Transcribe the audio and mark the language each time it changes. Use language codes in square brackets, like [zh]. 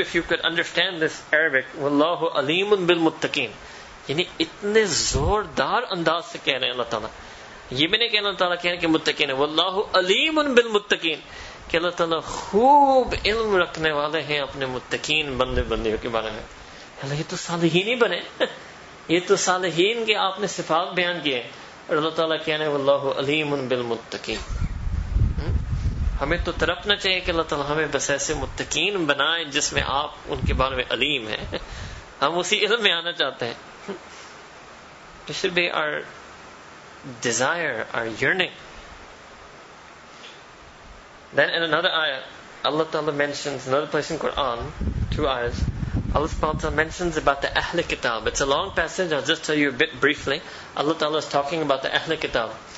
[en] If you could understand this Arabic, [ar] وَاللَّهُ عَلِيمٌ بِالْمُتَّقِينَ. [ur] یعنی اتنے زوردار انداز سے کہہ رہے ہیں اللہ تعالیٰ. یہ بھی نہیں کہ اللہ تعالیٰ کہہ رہے کہ متقین ہے, [ar] وَاللَّهُ عَلِيمٌ بِالْمُتَّقِينَ, [ur] کہ اللہ تعالیٰ خوب علم رکھنے والے ہیں اپنے متقین بندے بندیوں کے بارے میں. اللہ یہ تو صالحین ہی بنے, یہ تو صالحین کے آپ نے صفات بیان کیے. اور اللہ تعالیٰ کہہ رہے ہیں [ar] وَاللَّهُ عَلِيمٌ بِالْمُتَّقِينَ. [ur] ہمیں تو تڑپنا چاہیے کہ اللہ تعالیٰ ہمیں بس ایسے متقین بنائیں جس میں آپ ان کے بارے میں علیم ہیں. ہم اسی علم میں آنا چاہتے ہیں. [en] This should be our desire, our yearning. Then in another ayah, Allah Ta'ala mentions, another place in Quran, two ayahs, Allah Ta'ala mentions about the Ahli Kitab. It's a long passage, I'll just tell you a bit briefly. Allah Ta'ala is talking about the Ahli Kitab.